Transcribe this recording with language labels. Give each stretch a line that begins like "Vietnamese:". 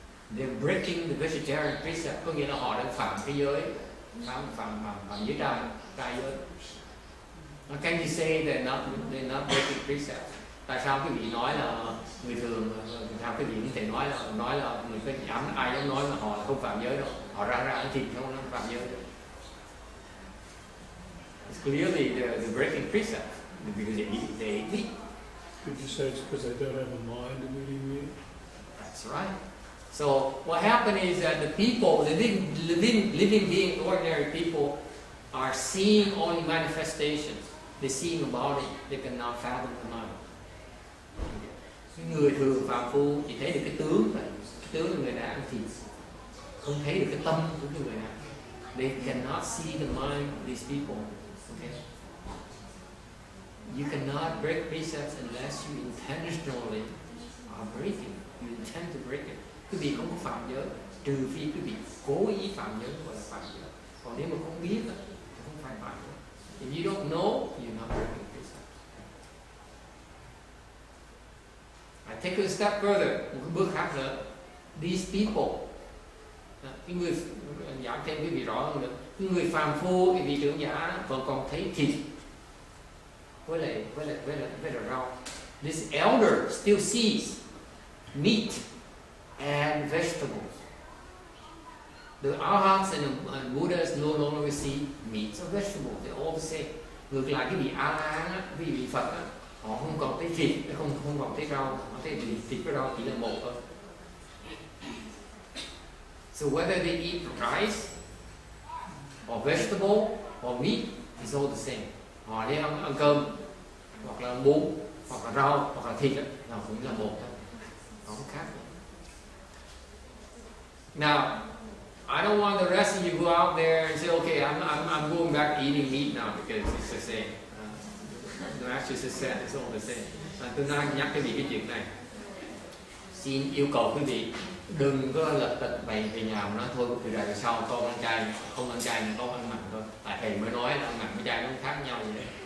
English: They're breaking the vegetarian precept,
Vietnamese: có nghĩa là họ đang phạm cái giới, phạm giới trai, trai giới.
English: Can you say they're not breaking precept?
Vietnamese: Tại sao quý vị nói là người thường, sao quý vị có thể nói là người có dám, ai dám nói là họ không phạm giới đâu, họ ra ăn thịt không, nó phạm giới đâu.
English: It's clearly the breaking precept, because they eat meat. Could you say it's because they don't have a mind in eating meat? That's right. So what happened is that the people, the living being, ordinary people, are seeing only manifestations. They're seeing a body, they cannot fathom the mind. Okay.
Vietnamese: Người thường phàm phu chỉ thấy được cái tướng này, cái tướng của người đàn thì không thấy được cái tâm của người đàn.
English: They cannot see the mind of these people. Okay. You cannot break precepts unless you intentionally are breaking. You intend to break it.
Vietnamese: Quý vị không có phạm giới, trừ phi quý vị cố ý phạm giới gọi là phạm giới. Còn nếu mà không biết là không phải phạm giới.
English: If you don't know, you're not breaking precepts. I take it a step further.
Vietnamese: Một cái bước khác nữa.
English: These people,
Vietnamese: cái người giảm thêm quý vị rõ hơn nữa. Cái người phàm phu, cái vị trưởng giả vẫn còn thấy thịt. Với lại rau.
English: This elder still sees meat and vegetables. The Arhats and Buddhas no longer see meat or vegetables. They all say,
Vietnamese: ngược lại cái vị A-la-hán, cái vị Phật, đó, họ không còn thấy thịt, không còn thấy rau, họ thấy thịt với rau chỉ là một thôi.
English: So whether they eat rice, or vegetable, or meat, it's all the same.
Vietnamese: Họ đi ăn cơm, hoặc là bún, hoặc là rau, hoặc là thịt, đó, cũng là một thôi. Không khác.
English: Now, I don't want the rest of you go out there and say, okay, I'm going back to eating meat now because it's the same. No, actually, it's the same. It's all the same.
Vietnamese: Tôi đang nhắc cái gì cái chuyện này. Xin yêu cầu quý vị đừng có lật tật bày về nhà mà nói thôi. Từ đây về sau, con ăn chay, không ăn chay nữa, con ăn mặn thôi. Tại thầy mới nói là mặn với chay nó khác nhau vậy.